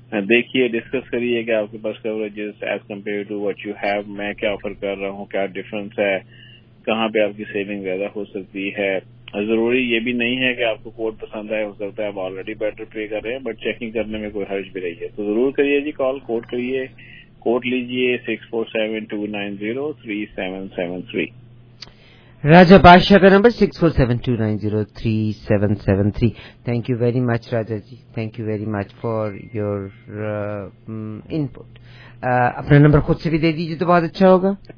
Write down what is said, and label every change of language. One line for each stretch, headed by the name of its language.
Urdu: دیکھیے, ڈسکس کریے کہ آپ کے پاس coverages
English: as compare to what you have,
Urdu: میں کیا آفر کر رہا ہوں, کیا ڈفرنس ہے, کہاں پہ آپ کی سیونگ زیادہ ہو سکتی ہے. ضروری یہ بھی نہیں ہے کہ آپ کو کوٹ پسند آئے, ہو سکتا ہے آپ آلریڈی بیٹر پے کر رہے ہیں, بٹ چیکنگ کرنے میں کوئی حرج بھی نہیں ہے. تو ضرور کریے جی کال, کوٹ کریے, کوٹ لیجیے 6472903773. راجہ بادشاہ کا number 6472903773.
English: Thank you very much Raja ji, thank you very much for your input.
Urdu: اپنا نمبر خود سے بھی دے دیجیے تو بہت اچھا ہوگا.